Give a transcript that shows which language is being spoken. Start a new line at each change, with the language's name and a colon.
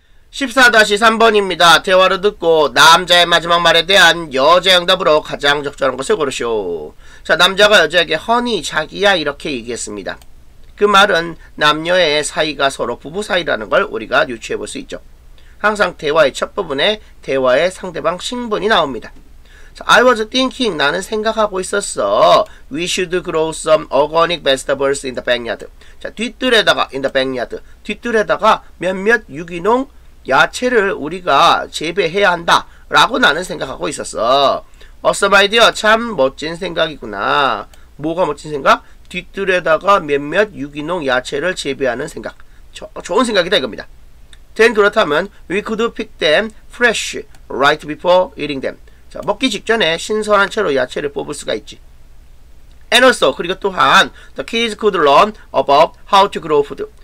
Korean: 14-3번입니다. 대화를 듣고 남자의 마지막 말에 대한 여자의 응답으로 가장 적절한 것을 고르시오. 자, 남자가 여자에게 허니, 자기야 이렇게 얘기했습니다. 그 말은 남녀의 사이가 서로 부부 사이라는 걸 우리가 유추해 볼 수 있죠. 항상 대화의 첫 부분에 대화의 상대방 신분이 나옵니다.
English: I was thinking,
Korean: 나는 생각하고 있었어.
English: We should grow some organic vegetables in the backyard.
Korean: 자, 뒤뜰에다가,
English: in the backyard.
Korean: 뒤뜰에다가 몇몇 유기농 야채를 우리가 재배해야 한다. 라고 나는 생각하고 있었어.
English: Awesome idea.
Korean: 참 멋진 생각이구나. 뭐가 멋진 생각? 뒤뜰에다가 몇몇 유기농 야채를 재배하는 생각. 좋은 생각이다 이겁니다.
English: Then
Korean: 그렇다면,
English: we could pick them fresh right before eating them.
Korean: 자, 먹기 직전에 신선한 채로 야채를 뽑을 수가 있지.
English: And also,
Korean: 그리고 또한
English: the kids could learn about how to grow food.